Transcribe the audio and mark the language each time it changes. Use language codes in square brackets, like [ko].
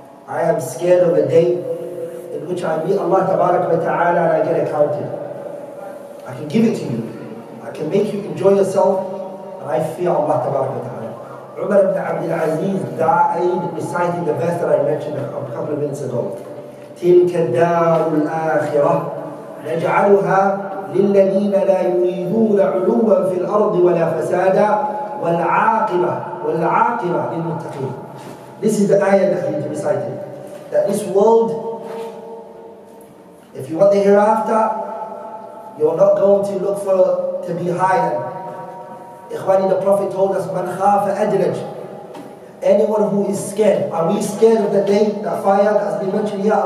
[en] I am scared of a day in which I meet Allah tabarak wa ta'ala and I get accounted. I can give it to you. I can make you enjoy yourself. And I fear Allah tabarak wa ta'ala. Umar ibn Abdul Aziz died reciting the verse that I mentioned a couple of minutes ago. [ar] تلك الدار الآخرة نجعلها للذين لا يريدون علوا في الأرض ولا فسادا والعاقبة والعاقبة للمتقين. [en] This is the ayah that I need to recite it. That this world, if you want the hereafter, you're not going to look for to be higher. Ikhwani, the Prophet told us, [ar] من خاف أدلج. [en] Anyone who is scared, are we scared of the day, that fire that has been mentioned here?